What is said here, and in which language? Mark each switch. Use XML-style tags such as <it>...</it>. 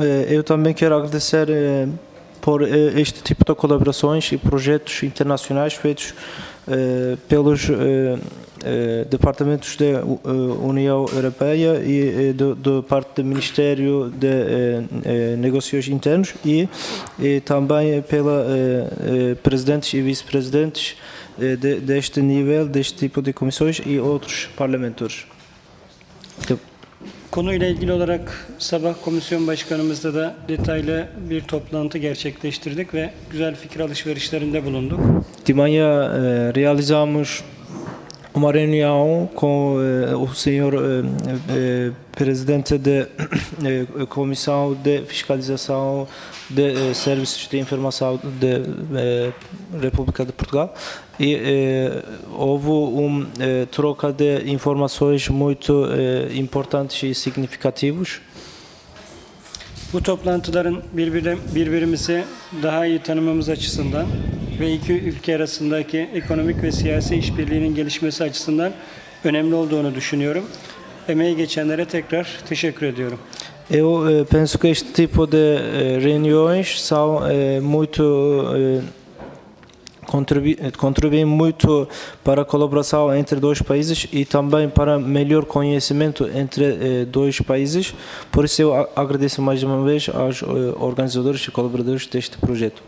<pt>Eu também quero agradecer por este tipo de colaborações e projetos internacionais feitos pelos departamentos da União Europeia e do parte do Ministério de Negócios Internos e também pela presidentes e vice-presidentes deste nível, deste tipo de comissões e outros parlamentos.</pt> <tr>Konuyla ilgili olarak sabah komisyon başkanımızla da detaylı bir toplantı gerçekleştirdik ve güzel fikir alışverişlerinde bulunduk.</tr> <pt>Dimanya realizamos uma reunião com o senhor presidente da Comissão de Fiscalização de Serviços de Informação da República de Portugal. E houve troca de informações muito importantes e significativas.</pt> <tr>Bu toplantıların birbirimizi daha iyi tanımamız açısından ve iki ülke arasındaki ekonomik ve siyasi işbirliğinin gelişmesi açısından önemli olduğunu düşünüyorum. Emeği geçenlere tekrar teşekkür ediyorum.</tr> <pt>Eu penso que este tipo de reuniões são muito contribuem muito para a colaboração entre dois países e também para melhor conhecimento entre dois países. Por isso eu agradeço mais uma vez aos organizadores e colaboradores deste projeto.</pt>